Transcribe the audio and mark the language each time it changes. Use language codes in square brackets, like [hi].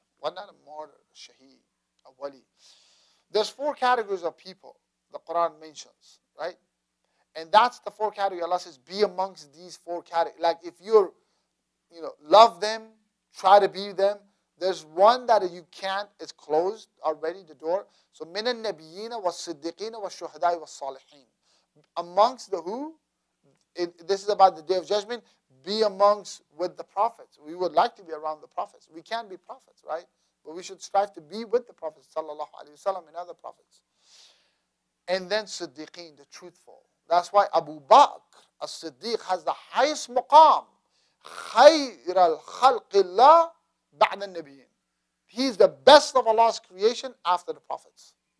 [en] Why not a martyr, a shaheed, a wali? There's four categories of people the Quran mentions, right? And that's the four categories. Allah says, be amongst these four categories. Like if you're, you know, love them, try to be them. There's one that you can't, it's closed already, the door. [ar] So, من النبيين والصديقين والشهداء والصالحين. [en] Amongst the who? This is about the Day of Judgment. Be amongst with the prophets. We would like to be around the prophets. We can be prophets, right? But we should strive to be with the prophets, sallallahu alayhi wa sallam, and other prophets. And then Siddiqeen, the truthful. That's why Abu Bakr, a Siddiq, has the highest maqam. [ar] خير الخلق الله بعد النبيين. [en] He's the best of Allah's creation after the prophets.